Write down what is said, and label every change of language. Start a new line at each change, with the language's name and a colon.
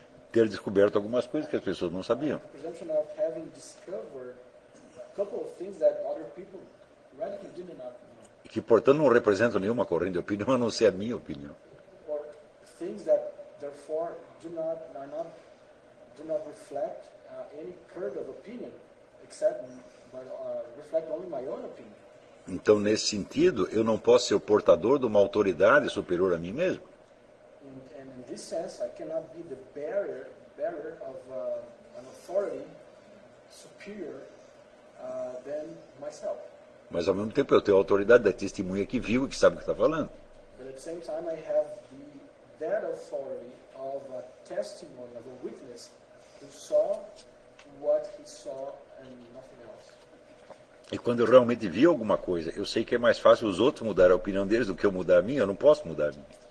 Portuguese: ter descoberto algumas coisas que as pessoas não sabiam.
English: The presumption of having discovered a couple of things that other people radically did not know.
Portuguese: Que, portanto, não representam nenhuma corrente de opinião, a não ser a minha opinião.
English: Or things that, therefore, do not reflect any kind of opinion, except but reflect only my own opinion.
Portuguese: Então, nesse sentido, eu não posso ser o portador de uma autoridade superior a mim mesmo.
English: In this sense, I cannot be the bearer of an authority superior than myself.
Portuguese: Mas ao mesmo tempo eu tenho a autoridade da testemunha que viu e que sabe o que está falando.
English: But at the same time I have that authority of a testimony, of a witness who saw what he saw and nothing else.
Portuguese: E quando eu realmente vi alguma coisa, eu sei que é mais fácil os outros mudar a opinião deles do que eu mudar a minha, eu não posso mudar a minha.